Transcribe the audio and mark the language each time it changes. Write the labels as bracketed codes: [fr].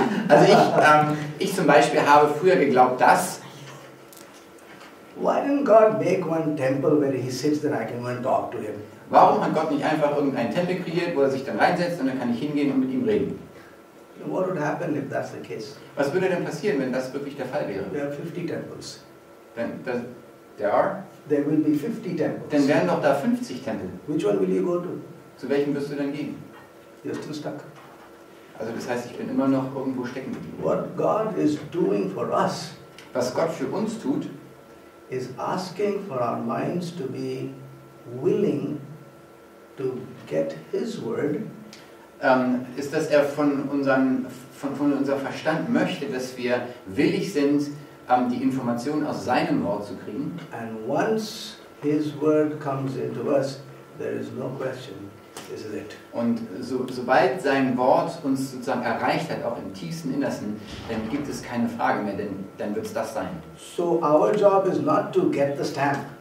[de] Also ich zum Beispiel habe früher geglaubt, dass. [en] Why didn't God make one temple where he sits that I can go and talk to him? [de] Warum hat Gott nicht einfach irgendeinen Tempel kreiert, wo er sich dann reinsetzt und dann kann ich hingehen und mit ihm reden? [en] What would happen if that's the case? [de] Was würde denn passieren, wenn das wirklich der Fall wäre? [en] There are 50 temples. Then there are. There will be 50 temples. [de] Dann wären doch da 50 Tempel. [en] Which one will you go to? [de] Zu welchem wirst du dann gehen? [en] You're still stuck. [de] Also das heißt, ich bin immer noch irgendwo stecken geblieben. [en] What God is doing for us, [de] was Gott für uns tut, [en] is asking for our minds to be willing to get his word. [de] Ist, dass er von unserem Verstand möchte, dass wir willig sind, die Informationen aus seinem Wort zu kriegen. [en] And once his word comes into us, there is no question. This is it. [de] Und sobald sein Wort uns sozusagen erreicht hat, auch im tiefsten Innersten, dann gibt es keine Frage mehr, denn dann wird es das sein. [en] So our job is not to get the stamp.